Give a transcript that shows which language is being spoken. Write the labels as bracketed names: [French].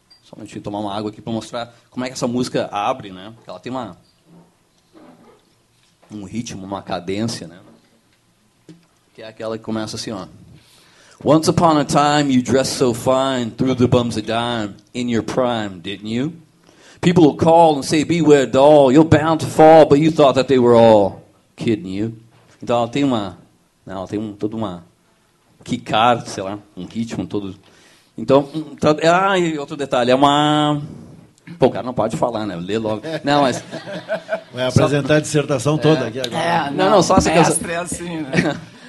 [Portuguese] Só a gente tomar uma água aqui para mostrar como é que essa música abre, né? Porque ela tem um ritmo, uma cadência, né? Que é aquela que começa assim, ó. [English] Once upon a time, you dressed so fine, threw the bums a dime in your prime, didn't you? People will call and say, beware doll, you're bound to fall, but you thought that they were all kidding you. [Portuguese] Então ela tem toda uma quicar, sei lá, um ritmo todo. Então, e outro detalhe, é uma... Pô, o cara não pode falar, né? Lê logo. Não, mas... Vai apresentar a dissertação toda aqui agora. Não, só essa mestre canção. É assim, né?